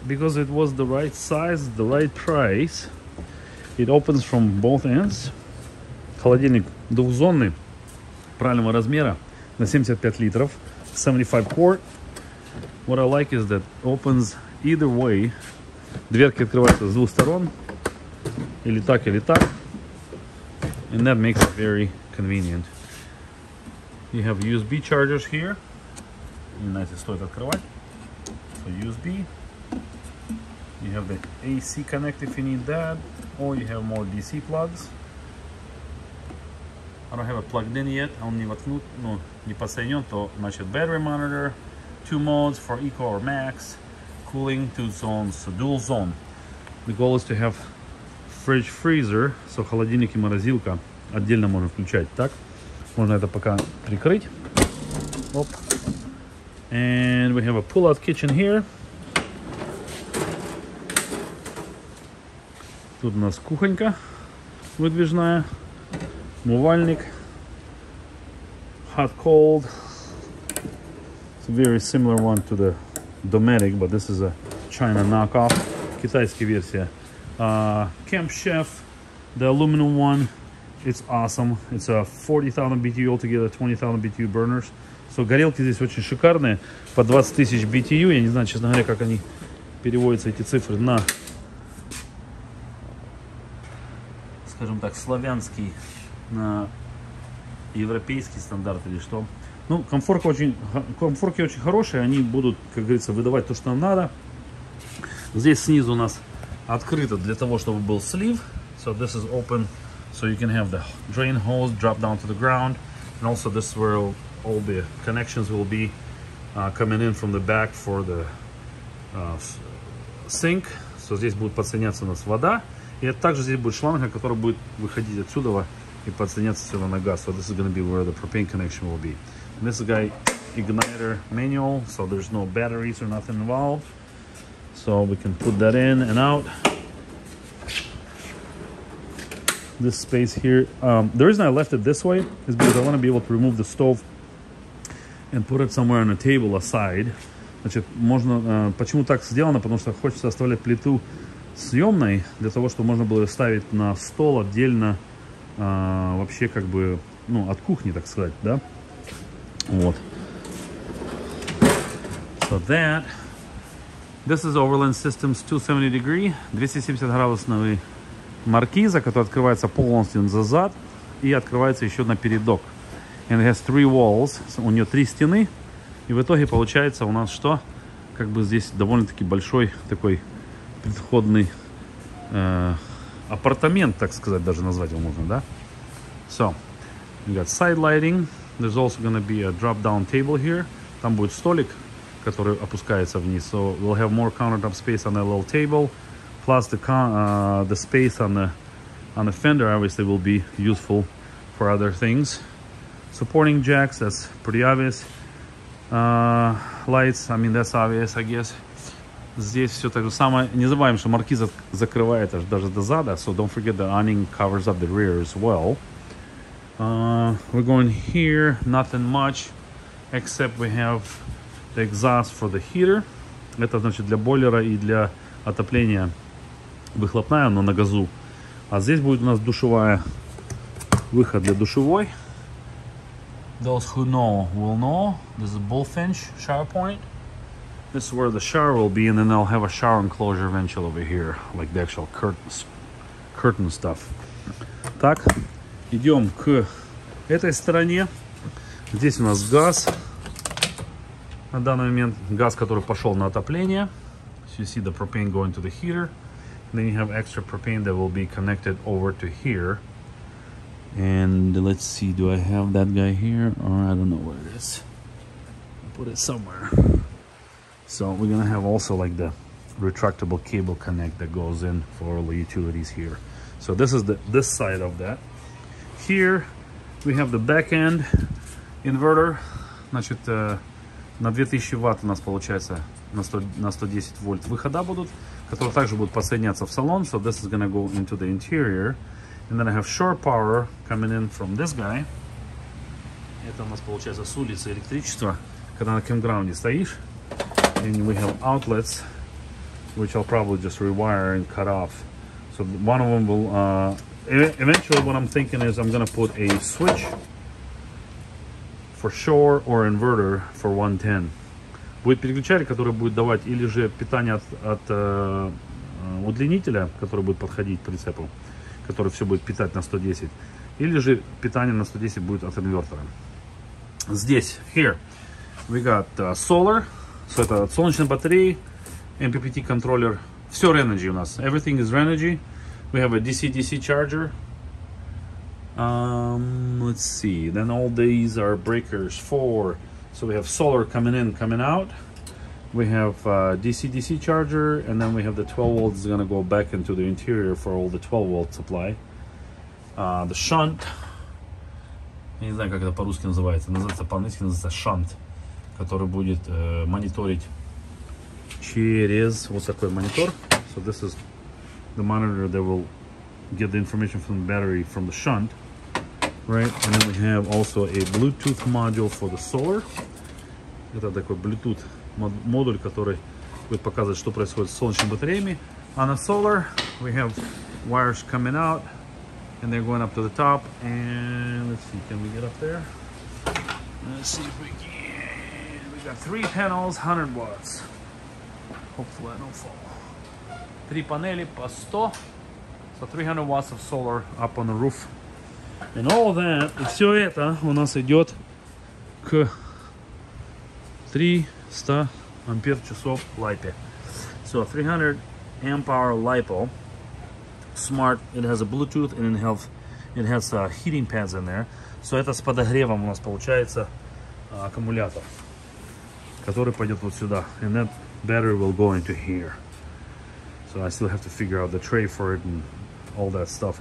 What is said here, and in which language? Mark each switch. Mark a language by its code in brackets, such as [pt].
[en] Because it was the right size, the right price. It opens from both ends. [ru] Холодильник двухзонный, правильного размера, на 75 литров, 75 quart. [en] What I like is that opens either way. [ru] Дверки открываются с двух сторон, или так, или так. [en] And that makes it very convenient. You have USB chargers here. Nice, [ru] стоит открывать. [en] For USB, you have the AC connect if you need that, or you have more DC plugs. I don't have it plugged in yet. [ru] Он не воткнут, ну, не подсоединен, то значит [en] battery monitor, two modes for eco or max, cooling, two zones, so dual zone. The goal is to have fridge freezer, so [ru] холодильник и морозилка отдельно можно включать, так? Можно это пока прикрыть. Оп. [en] And we have a pull-out kitchen here. [ru] Тут у нас кухонька выдвижная, умывальник, [en] hot-cold. It's a very similar one to the Dometic, but this is a China knockoff, [ru] китайская версия. [en] Camp Chef, the aluminum one, it's awesome. It's a 40,000 BTU altogether, 20,000 BTU burners. [ru] So, горелки здесь очень шикарные, по 20 тысяч BTU. Я не знаю, честно говоря, как они переводятся, эти цифры, на, скажем так, славянский, на европейский стандарт или что. Ну, комфорки очень хорошие, они будут, как говорится, выдавать то, что нам надо. Здесь снизу у нас открыто для того, чтобы был слив. [en] So, this is open, so you can have the drain hose drop down to the ground. And also, this is where all the connections will be coming in from the back for the sink. [ru] So здесь будет подсоединяться у нас вода. И также здесь будет шланг, который будет выходить отсюда и подсоединяться сюда на газ. [en] So this is going to be where the propane connection will be. And this guy, igniter manual, so there's no batteries or nothing involved. So we can put that in and out. this space here. The reason I left it this way is because I want to be able to remove the stove and put it somewhere on a table aside. [ru] Значит, можно, почему так сделано? Потому что хочется оставлять плиту съемной для того, чтобы можно было ставить на стол отдельно, вообще как бы, ну, от кухни, так сказать, да? Вот. [en] So that, this is Overland Systems 270 degree, [ru] 270 градусный маркиза, который открывается полностью за зад и открывается еще на передок. [en] And it has three walls, so [ru] у нее три стены. И в итоге получается у нас что? Как бы здесь довольно-таки большой такой предходный апартамент, так сказать, даже назвать его можно, да? [en] So, we got side lighting. There's also gonna be a drop-down table here. [ru] Там будет столик, который опускается вниз. [en] So, we'll have more countertop space on that little table. Plus, the space on the fender obviously will be useful for other things. Supporting jacks, that's pretty obvious. Lights, I mean, that's obvious, I guess. [ru] Здесь все так же самое. Не забываем, что маркиза закрывает даже до зада. [en] So don't forget the awning covers up the rear as well. We're going here, nothing much, except we have the exhaust for the heater. [ru] Это значит для бойлера и для отопления выхлопная, но на газу. А здесь будет у нас душевая, выход для душевой. [en] Those who know will know. This is a bullfinch shower point. This is where the shower will be, and then they'll have a shower enclosure eventually over here, like the actual curtain stuff. [ru] Так, идем к этой стороне. Здесь у нас газ. На данный момент газ, который пошел на отопление. [en] So you see the propane going to the heater. And then you have extra propane that will be connected over to here. And let's see, do I have that guy here? Or I don't know where it is. I'll put it somewhere. So we're gonna have also like the retractable cable connect that goes in for all the utilities here. So this is this side of that. Here we have the back end inverter. [ru] Значит, на 2000 ватт у нас получается на 110 вольт выхода будут, которые также будут подсоединяться в салон. [en] So this is gonna go into the interior. And then I have shore power coming in from this guy. [ru] Это у нас получается с улицы электричество, когда на кемграунде стоишь. [en] And we have outlets, which I'll probably just rewire and cut off. So one of them will, eventually what I'm thinking is I'm gonna put a switch for shore or inverter for 110. [ru] Будет переключатель, который будет давать или же питание от удлинителя, который будет подходить прицепу. Который все будет питать на 110, или же питание на 110 будет от инвертора. Здесь, [en] here, we got solar, so [ru] это от солнечной батареи, [en] MPPT контроллер, все Renogy у нас, everything is Renogy, we have a DC-DC charger, let's see, then all these are breakers for, so we have solar coming in, coming out, we have a DC-DC charger, and then we have the 12 volts is gonna go back into the interior for all the 12 volt supply. The shunt, [ru] я не знаю, как это по-русски называется, называется по-английски называется shunt, который будет мониторить через вот такой монитор. [en] So this is the monitor that will get the information from the battery from the shunt, right? And then we have also a Bluetooth module for the solar. [ru] Это такой Bluetooth модуль, который будет показывать, что происходит с солнечными батареями. [en] On the solar, we have wires coming out, and they're going up to the top, and let's see, can we get up there? Let's see if we can. We got three panels, 100 watts. Hopefully I don't fall. [ru] Три панели по 100, [en] so 300 watts of solar up on the roof. And all that, [ru] и все это у нас идет к 300 ампер часов LiPo. [en] So 300 amp hour LiPo. Smart, it has a Bluetooth and it has heating pads in there. [ru] So это с подогревом у нас получается аккумулятор, который пойдет вот сюда. [en] And that battery will go into here. So I still have to figure out the tray for it and all that stuff.